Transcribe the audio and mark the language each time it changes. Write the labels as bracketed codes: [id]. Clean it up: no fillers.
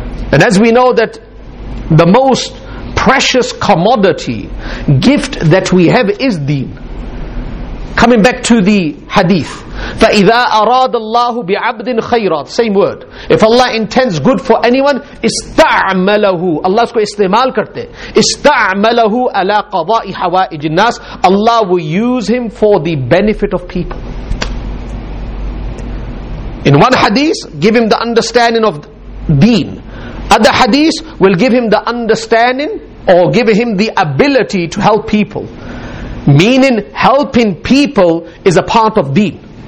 [en] And as we know that the most precious commodity, gift that we have is deen. Coming back to the hadith. [ar] فَإِذَا أَرَادَ اللَّهُ بِعَبْدٍ خَيْرًا. [en] Same word. If Allah intends good for anyone, [ar] استعملهُ. Allah [ur] اسکو استعمال کرتے. [ar] استعملهُ على قضاء حوائج الناس. [en] Allah will use him for the benefit of people. In one hadith, give him the understanding of deen. Other hadith will give him the understanding or give him the ability to help people. Meaning, helping people is a part of deen.